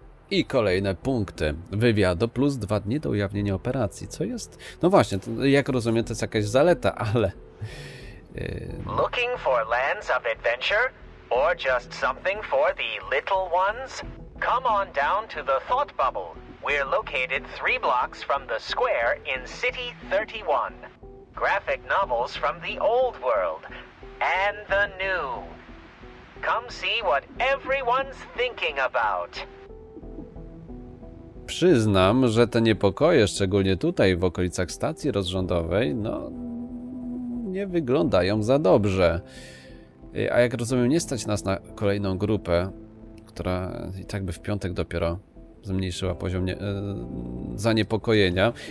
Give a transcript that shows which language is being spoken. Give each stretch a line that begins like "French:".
Polish: I kolejne punkty. Wywiadu plus 2 dni do ujawnienia operacji. Co jest? No właśnie, to, jak rozumiem, to jest jakaś zaleta, ale...
English: Looking for lands of adventure? Or just something for the little ones? Come on down to the thought bubble. We're located 3 blocks from the square in City 31. Graphic novels from the old world. And the new. Come see what everyone's thinking about.
Polish: Przyznam, że te niepokoje, szczególnie tutaj w okolicach stacji rozrządowej, no nie wyglądają za dobrze. A jak rozumiem, nie stać nas na kolejną grupę, która i tak by w piątek dopiero zmniejszyła poziom zaniepokojenia.